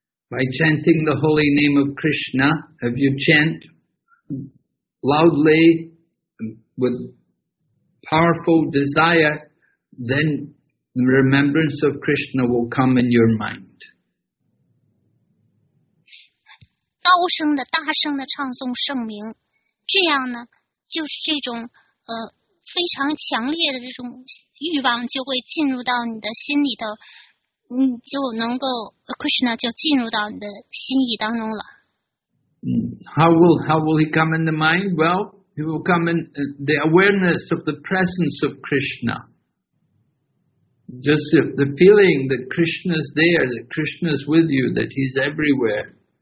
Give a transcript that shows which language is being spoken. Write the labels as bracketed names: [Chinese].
[English] By chanting the holy name of Krishna, if you chant loudly with powerful desire, then remembrance of Krishna will come in your mind. [Chinese] 高声的、大声的唱诵圣名，这样呢，就是这种非常强烈的这种欲望就会进入到你的心里头，你就能够 Krishna 就进入到你的心意当中了。 [English] How will he come in the mind? Well, he will come in the awareness of the presence of Krishna. Just the feeling that Krishna is there, that Krishna is with you, that he's everywhere.